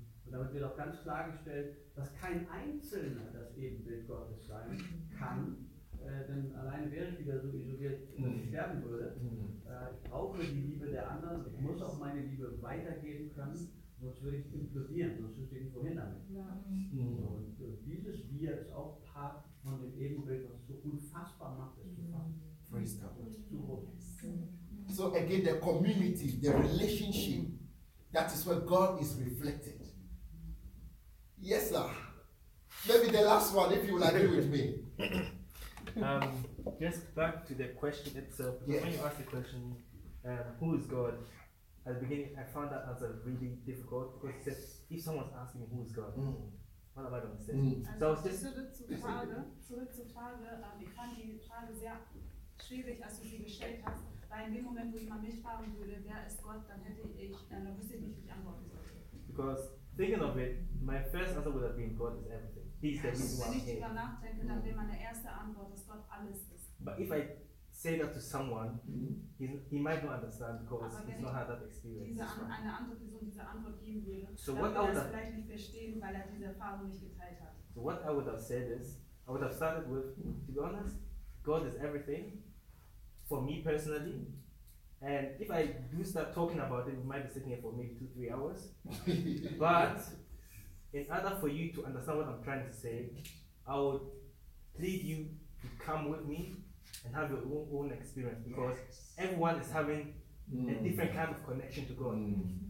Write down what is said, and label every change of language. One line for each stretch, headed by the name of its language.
German: Und damit wird auch ganz klargestellt, dass kein Einzelner das Ebenbild Gottes sein kann, denn alleine wäre ich wieder so isoliert, dass ich sterben würde. Ich brauche die Liebe der anderen, ich muss auch meine Liebe weitergeben können, sonst würde ich implodieren, sonst würde ich irgendwo hin damit. Ja. Und dieses Wir ist auch Part von dem Ebenbild, was so unfassbar macht, ist zu fassen.
English: So again, the community, the relationship, that is where God is reflected. Yes, sir. Maybe the last one, if you will agree with me. Just back to the question itself. Yes. When you ask the question, who is God? At the beginning, I found that answer really difficult because it says, if someone's asking me who is God, what am I going to say? So I was just
German: zurück zur Frage. Ich fand die Frage sehr schwierig, als du sie gestellt hast. Weil in dem Moment, wo ich mal mich fragen würde, wer ist Gott, dann wüsste ich nicht, wie ich antworten sollte.
English: Because thinking of it, my first answer would have been God is everything. He's the one.
German: Wenn ich darüber nachdenke, dann wäre meine erste Antwort, dass Gott alles ist.
English: But if I say that to someone, he might not understand because he's not had that experience.
German: Eine andere Person diese Antwort geben würde, so dann würde er es vielleicht nicht verstehen, weil er diese Erfahrung nicht geteilt hat.
English: So what I would have said is, I would have started with, to be honest, God is everything for me personally. And if I do start talking about it, we might be sitting here for maybe 2-3 hours. But in order for you to understand what I'm trying to say, I would plead you to come with me and have your own experience, because everyone is having a different kind of connection to God.